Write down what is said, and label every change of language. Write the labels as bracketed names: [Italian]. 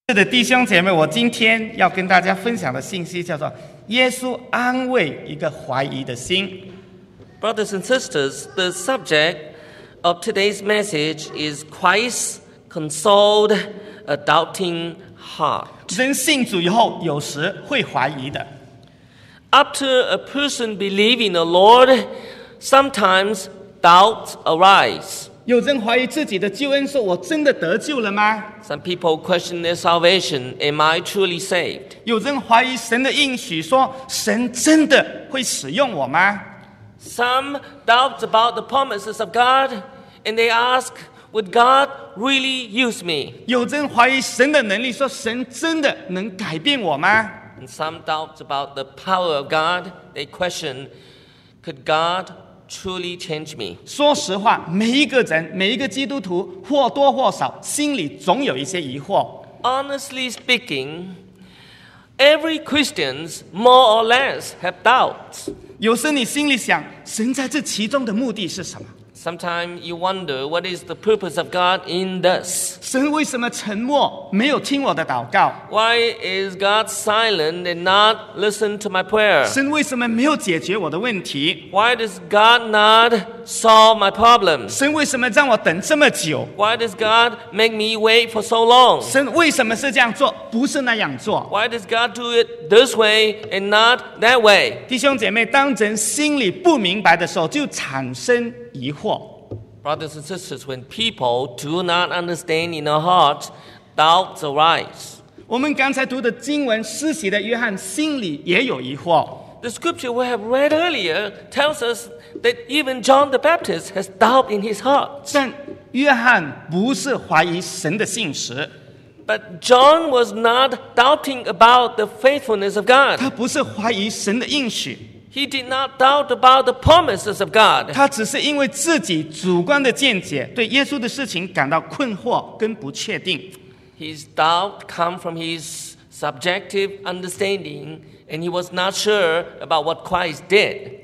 [Chinese] 弟兄姐妹，我今天要跟大家分享的信息叫做耶稣安慰一个怀疑的心。 [English] Brothers and sisters, the subject of today's message is Christ's consoled a doubting heart. [Chinese] 人信主以后有时会怀疑的。 [English] After a person believes in the Lord, sometimes doubts arise. [Chinese] 有人怀疑自己的救恩，说我真的得救了吗？ [English] Some people question their salvation. Am I truly saved? [Chinese] 有人怀疑神的应许，说神真的会使用我吗？ [English] Some doubt about the promises of God, and they ask, would God really use me? [Chinese] 有人怀疑神的能力，说神真的能改变我吗？ [English] And some doubts about the power of God, they question, could God truly change me? [Chinese] 说实话，每一个人，每一个基督徒，或多或少，心里总有一些疑惑。 [English] Honestly speaking, every Christians more or less have doubts. [Chinese] 有时你心里想，神在这其中的目的是什么？ [English] Sometimes you wonder what is the purpose of God in this. [Chinese] 神为什么沉默，没有听我的祷告？ [English] Why is God silent and not listen to my prayer? [Chinese] 神为什么没有解决我的问题？ [English] Why does God not solve my problem? [Chinese] 神为什么让我等这么久？ [English] Why does God make me wait for so long? [Chinese] 神为什么是这样做，不是那样做？ [English] Why does God do it this way and not that way? [Chinese] 弟兄姐妹，当人心里不明白的时候，就产生疑惑。 [English] Brothers and sisters, when people do not understand in their heart, doubts arise. [Chinese] 我们刚才读的经文，施洗的约翰心里也有疑惑。 [English] The scripture we have read earlier tells us that even John the Baptist has doubt in his heart. [Chinese] 但约翰不是怀疑神的信实。 [English] But John was not doubting about the faithfulness of God. [Chinese] 他不是怀疑神的应许。 [English] He did not doubt about the promises of God. [Chinese] 他只是因为自己主观的见解，对耶稣的事情感到困惑跟不确定。 [English] His doubt came from his subjective understanding, and he was not sure about what Christ did.